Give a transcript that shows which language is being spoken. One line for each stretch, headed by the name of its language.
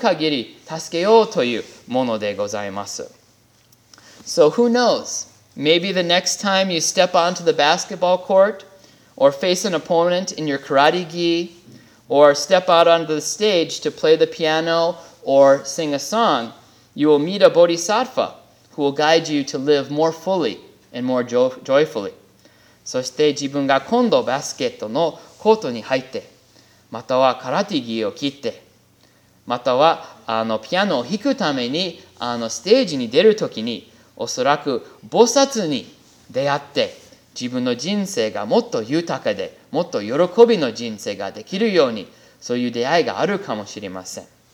Japanese: で、菩薩というのは自分にも約束して、仏様の前に約束して、相手をお互いに助け合って、人を命がある限り助けようというものでございます。
English: So who knows? Maybe the next time you step onto the basketball court or face an opponent in your karate gi or step out onto the stage to play the piano or sing a song, you will meet a bodhisattva who will guide you to live more fully and more joyfully.
Japanese: そして自分が今度バスケットのコートに入って、または空手着を切って、またはピアノを弾くためにステージに出るときに、おそらく菩薩に出会って、自分の人生がもっと豊かで、もっと喜びの人生ができるように、そういう出会いがあるかもしれません。